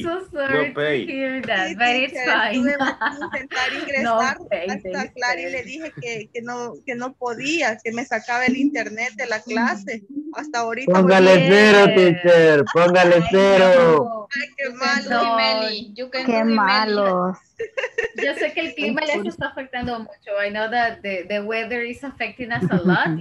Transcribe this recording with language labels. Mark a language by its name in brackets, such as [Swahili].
[English] I'm so sorry to hear that, but hey, teacher, it's fine. [Spanish] Intentar ingresar hasta Clary le dije que no podía, que me sacaba el internet de la clase. Hasta ahorita. Póngale cero, teacher. Póngale cero. Ay, qué malo. Qué malo. Yo sé que el clima les está afectando mucho. [English] I know that the weather is affecting us a lot.